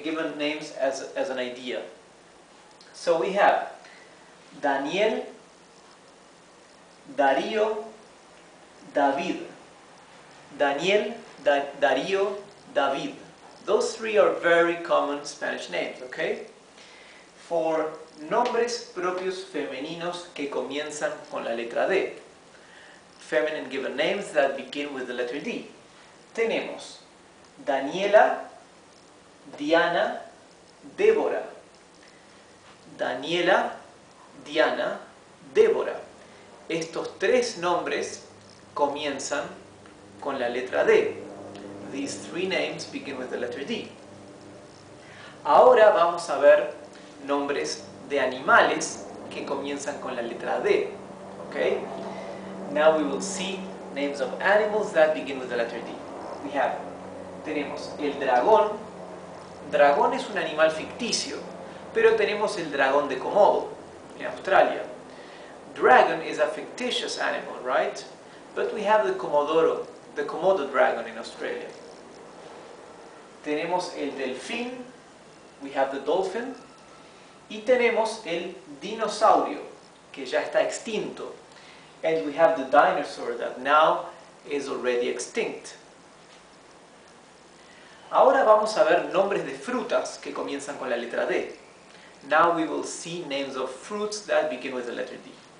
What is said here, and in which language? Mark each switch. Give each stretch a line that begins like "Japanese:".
English: Given names as an idea. So we have Daniel, Darío, David. Daniel, Darío, David. Those three are very common Spanish names, okay?
Spanish: For nombres propios femeninos que comienzan con la letra D.
English: Feminine given names that begin with the letter D.
Spanish: Tenemos Daniela, Diana, Débora. Daniela, Diana, Débora. Estos tres nombres comienzan con la letra D.
English: These three names begin with the letter D.
Spanish: Ahora vamos a ver nombres de animales que comienzan con la letra D.
English: Okay? Now we will see names of animals that begin with the letter D. We have,
Spanish: tenemos el dragón. Dragón es un animal ficticio, pero tenemos el dragón de Komodo en Australia.
English: Dragon is a fictitious animal, right? But we have the Komodo dragon in Australia.
Spanish: Tenemos el delfín,
English: we have the dolphin.
Spanish: Y tenemos el dinosaurio, que ya está extinto.
English: And we have the dinosaur that now is already extinct.
Spanish: Ahora vamos a ver nombres de frutas que comienzan con la letra D.
English: Now we will see names of fruits that begin with the letter D.